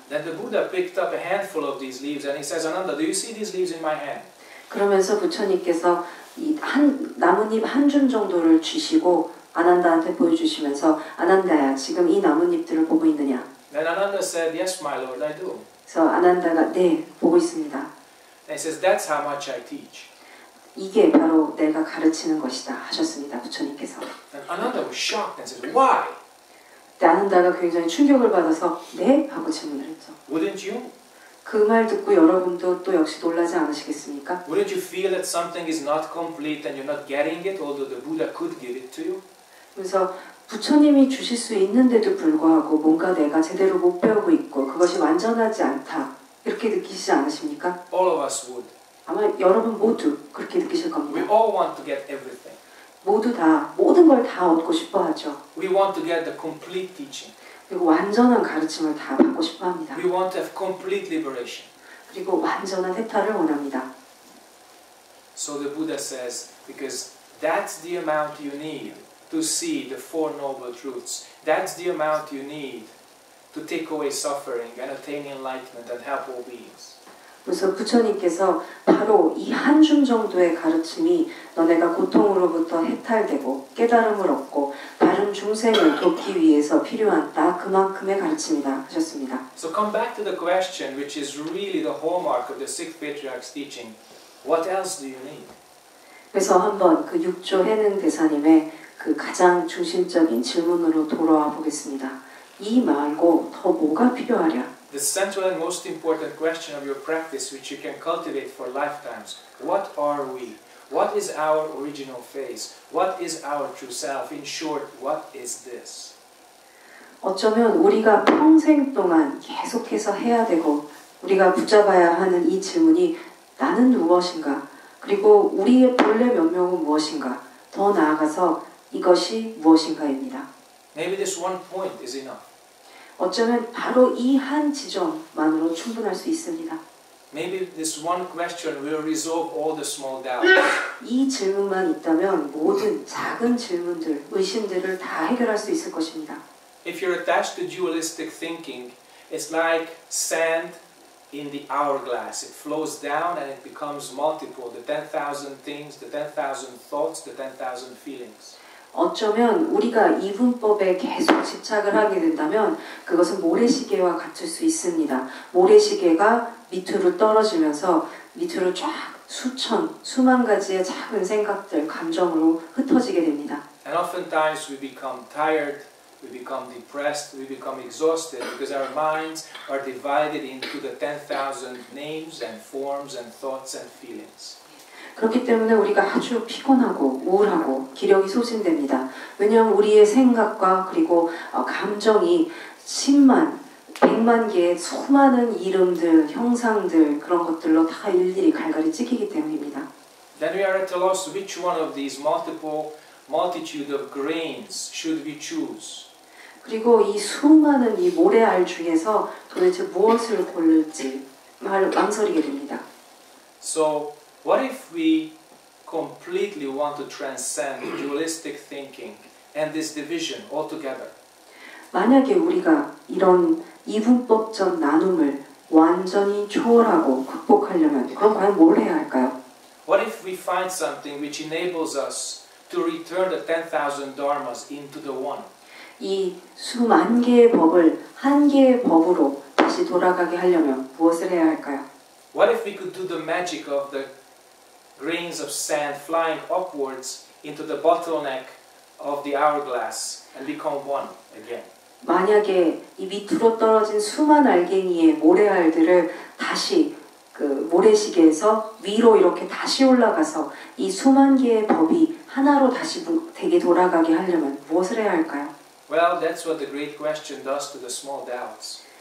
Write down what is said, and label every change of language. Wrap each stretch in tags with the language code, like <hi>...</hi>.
<en>Then the Buddha picked up a handful of these leaves and he says, Ananda, do you see these leaves in my hand?</en> <ko>그러면서 부처님께서 이 한 나뭇잎 한 줌 정도를 쥐시고 아난다한테 보여주시면서 아난다야 지금 이 나뭇잎들을 보고 있느냐?</ko> <en>Then Ananda said, "Yes, my lord, I do."</en> <ko>그래서 아난다가 네 보고 있습니다.</ko> <en>And he says, "That's how much I teach."</en> <ko>이게 바로 내가 가르치는 것이다 하셨습니다 부처님께서.</ko> <en>Then Ananda was shocked and said, "Why?"</en> <ko>아난다가 굉장히 충격을 받아서 네 하고 질문을 했죠.</ko> <en>Wouldn't you?</en> <ko>그 말 듣고 여러분도 또 역시 놀라지 않으시겠습니까?</ko> <en>Wouldn't you feel that something is not complete and you're not getting it, although the Buddha could give it to you?</en> <ko>그래서 부처님이 주실 수 있는데도 불구하고 뭔가 내가 제대로 못 배우고 있고 그것이 완전하지 않다 이렇게 느끼시지 않으십니까?</ko> <en>All of us would.</en> <ko>아마 여러분 모두 그렇게 느끼실 겁니다.</ko> <en>We all want to get everything.</en> <ko>모두 다 모든 걸 다 얻고 싶어하죠.</ko> <en>We want to get the complete teaching.</en> <ko>그리고 완전한 가르침을 다 받고 싶어합니다.</ko> <en>We want to have complete liberation.</en> <ko>그리고 완전한 해탈을 원합니다.</ko> <en>So the Buddha says, because that's the amount you need to see the Four Noble Truths. That's the amount you need to take away suffering and attain enlightenment and help all beings.</en> <ko>그래서 부처님께서 바로 이 한 줌 정도의 가르침이 너네가 고통으로부터 해탈되고 깨달음을 얻고 다른 중생을 돕기 위해서 필요한 딱 그만큼의 가르침이다 하셨습니다.</ko> <en>So come back to the question which is really the hallmark of the Sikh patriarch's teaching. What else do you need?</en> <ko>그래서 한번 그 6조 해능 대사님의 그 가장 중심적인 질문으로 돌아와 보겠습니다. 이 말고 더 뭐가 필요하랴?</ko> <en>The central and most important question of your practice, which you can cultivate for lifetimes, what are we? What is our original face? What is our true self? In short, what is this?</en> <ko>어쩌면 우리가 평생 동안 계속해서 해야 되고 우리가 붙잡아야 하는 이 질문이 나는 무엇인가? 그리고 우리의 본래 면목은 무엇인가? 더 나아가서 이것이 무엇인가입니다.</ko> <en>Maybe this one point is enough.</en> <ko>어쩌면 바로 이 한 지점만으로 충분할 수 있습니다.</ko> <en>Maybe this one question will resolve all the small doubts.</en> <ko>이 질문만 있다면 모든 작은 질문들, 의심들을 다 해결할 수 있을 것입니다.</ko> <en>If you're attached to dualistic thinking, it's like sand in the hourglass. It flows down and it becomes multiple, the 10,000 things, the 10,000 thoughts, the 10,000 feelings.</en> <ko>어쩌면 우리가 이분법에 계속 집착을 하게 된다면 그것은 모래시계와 같을 수 있습니다. 모래시계가 밑으로 떨어지면서 밑으로 쫙 수천, 수만 가지의 작은 생각들, 감정으로 흩어지게 됩니다.</ko> <en>And oftentimes we become tired, we become depressed, we become exhausted because our minds are divided into the 10,000 names and forms and thoughts and feelings.</en> <ko>그렇기 때문에 우리가 아주 피곤하고 우울하고 기력이 소진됩니다. 왜냐하면 우리의 생각과 그리고 감정이 10만, 100만 개의 수많은 이름들, 형상들 그런 것들로 다 일일이 갈갈이 찢기기 때문입니다.</ko> <en>Then we are at a loss which one of these multitude of grains should we choose?</en> <ko>그리고 이 수많은 이 모래알 중에서 도대체 무엇을 고를지 망설이게 됩니다.</ko> <en>So what if we completely want to transcend dualistic thinking and this division altogether?</en> <ko>만약에 우리가 이런 이분법적 나눔을 완전히 초월하고 극복하려면 그럼 과연 뭘 해야 할까요?</ko> <en>What if we find something which enables us to return the 10,000 dharmas into the one?</en> <ko>이 수만 개의 법을 한 개의 법으로 다시 돌아가게 하려면 무엇을 해야 할까요?</ko> <en>What if we could do the magic of the grains of sand flying upwards into the bottleneck of the hourglass and become one again.</en> <ko>만약에 이 밑으로 떨어진 수만 알갱이의 모래알들을 다시 그 모래시계에서 위로 이렇게 다시 올라가서 이 수만 개의 법이 하나로 다시 되게 돌아가게 하려면 무엇을 해야 할까요?</ko> <en>Well, that's what the great question does to the small doubts.</en>